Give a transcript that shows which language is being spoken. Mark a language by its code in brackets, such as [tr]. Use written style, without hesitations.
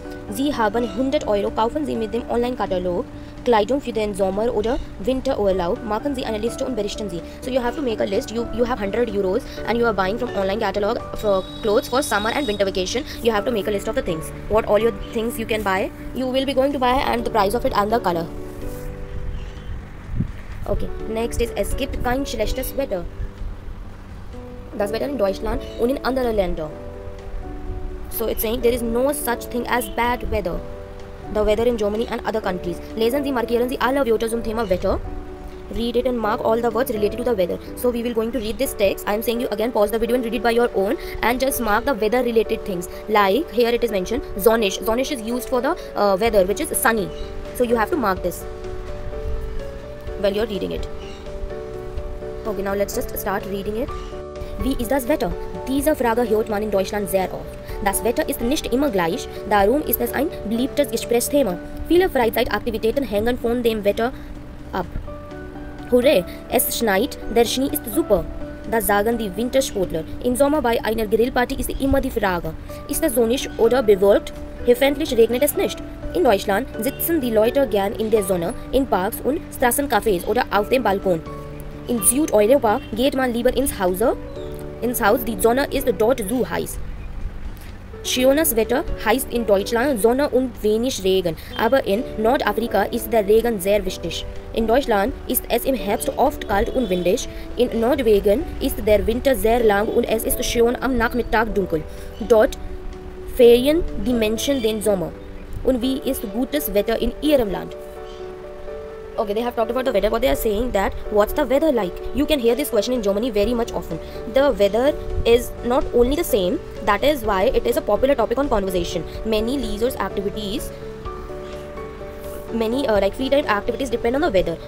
[de] Sie haben 100 Euro, kaufen Sie mit dem Online-Katalog Kleidung für den Sommer oder Winter Urlaub. Machen Sie eine Liste und berichten Sie. [en] So you have to make a list. You have 100 Euros and you are buying from online catalog for clothes for summer and winter vacation. You have to make a list of the things. What all your things you can buy, you will be going to buy and the price of it and the color. Okay, next is [de] Es gibt kein schlechtes Wetter. Das Wetter in Deutschland und in anderen Ländern. [en] So it's saying there is no such thing as bad weather. The weather in Germany and other countries. [de] Lesen Sie, markieren Sie alle Wörter zum Thema Wetter. [en] Read it and mark all the words related to the weather. So we will going to read this text. I am saying you again pause the video and read it by your own. And just mark the weather related things. Like here it is mentioned, sonnig. Sonnig is used for the weather, which is sunny. So you have to mark this while you are reading it. Okay, now let's just start reading it. [de] Wie ist das Wetter? Diese Frage hört man in Deutschland sehr oft. Das Wetter ist nicht immer gleich, darum ist es ein beliebtes Gesprächsthema. Viele Freizeitaktivitäten hängen von dem Wetter ab. Hurra, es schneit, der Schnee ist super. Das sagen die Wintersportler. Im Sommer bei einer Grillparty ist immer die Frage, ist es sonnig oder bewölkt? Hoffentlich regnet es nicht. In Deutschland sitzen die Leute gern in der Sonne, in Parks und Straßencafés oder auf dem Balkon. In Südeuropa geht man lieber ins Haus, die Sonne ist dort zu heiß. Schönes Wetter heißt in Deutschland Sonne und wenig Regen, aber in Nordafrika ist der Regen sehr wichtig. In Deutschland ist es im Herbst oft kalt und windig, in Norwegen ist der Winter sehr lang und es ist schön am Nachmittag dunkel. Dort feiern die Menschen den Sommer. Und wie ist gutes Wetter in Ihrem Land? [en] Okay, they have talked about the weather, but they are saying that what's the weather like? You can hear this question in Germany very much often. The weather is not only the same, that is why it is a popular topic on conversation. Many leisure activities, many free time activities depend on the weather.